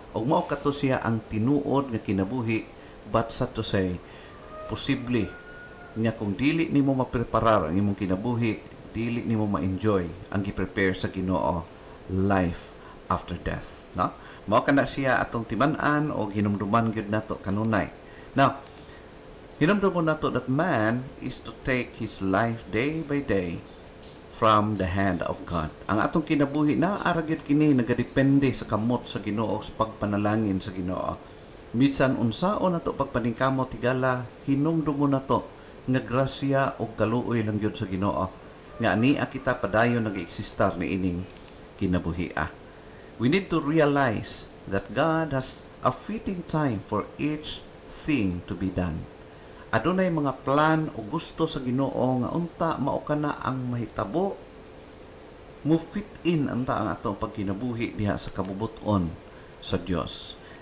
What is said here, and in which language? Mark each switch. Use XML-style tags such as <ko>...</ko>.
<ceb>Og mao kato siya ang tinuod nga kinabuhi, but sa to say posible nga kung dili nimo mapreparar ang imong kinabuhi, dili nimo ma-enjoy ang gi-prepare sa Ginoo,</ceb> <en>life after death,</en> <ceb>no? Mao kana siya atong timan-an o hinumduman gyud nato kanunay.</ceb> <en>Now,</en> <ceb>hinumduman nato</ceb> <en>that man is to take his life day by day from the hand of God.</en> <ceb>Ang atong kinabuhi na aragid kini nagadepende sa kamot sa Ginoo, sa pagpanalangin sa Ginoo. Bisan unsaon nato pagpaningkamot tigala, hinumduman nato nga grasya o kaluoy lang gyud sa Ginoo nga ani akita padayon nag-existar ni ining kinabuhi.</ceb> <en>We need to realize that God has a fitting time for each thing to be done.</en> <ceb>Adunay mga plan o gusto sa Ginoo nga unta mao kana ang mahitabo, mo fit in unta ang atong pagkinabuhi diha sa kabubuton sa Dios.</ceb>